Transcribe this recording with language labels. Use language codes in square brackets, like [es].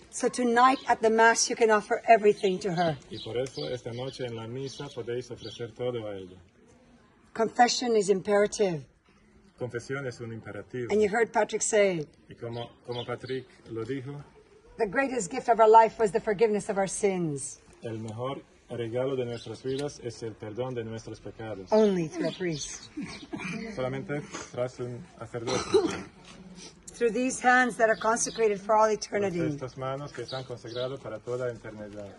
[en] So tonight at the mass you can offer everything to her. [es] Y por eso esta noche en la misa podéis ofrecer todo a ella. [en] Confession is imperative. [es] Confesión es un imperativo. [en] And you heard Patrick say. [es] Y como Patrick lo dijo. [en] The greatest gift of our life was the forgiveness of our sins. [es] El mejor regalo de nuestras vidas es el perdón de nuestros pecados. [en] Only through a priest. [es] Solamente tras un sacerdote. [en] Through these hands that are consecrated for all eternity. [es] Por estas manos que están consagradas para toda eternidad.